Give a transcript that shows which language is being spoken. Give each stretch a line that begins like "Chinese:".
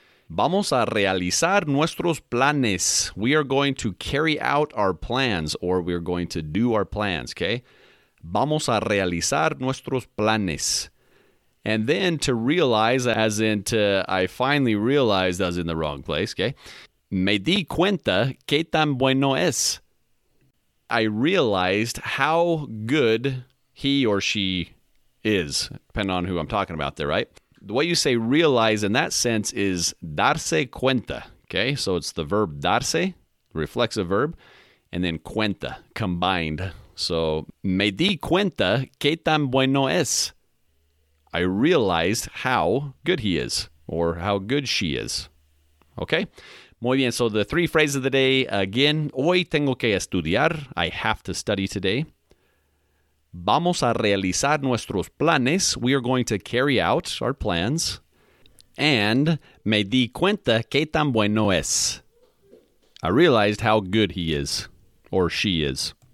Spanish: Vamos a realizar nuestros planes.
English: We are going to carry out our plans, or we are going to do our plans. Okay.
Spanish: Vamos a realizar nuestros planes.
English: And then to realize, as in to, I finally realized I was in the wrong place, okay?
Spanish: Me di cuenta que tan bueno es.
English: I realized how good he or she is, depending on who I'm talking about there, right? The way you say realize in that sense is darse cuenta, okay? So it's the verb darse, reflexive verb, and then cuenta, combined. So
Spanish: me di cuenta que tan bueno es.
English: I realized how good he is, or how good she is. Okay?
Spanish: Muy bien.
English: So the three phrases of the day again.
Spanish: Hoy tengo que estudiar.
English: I have to study today.
Spanish: Vamos a realizar nuestros planes.
English: We are going to carry out our plans. And
Spanish: me di cuenta que tan bueno es.
English: I realized how good he is, or she is.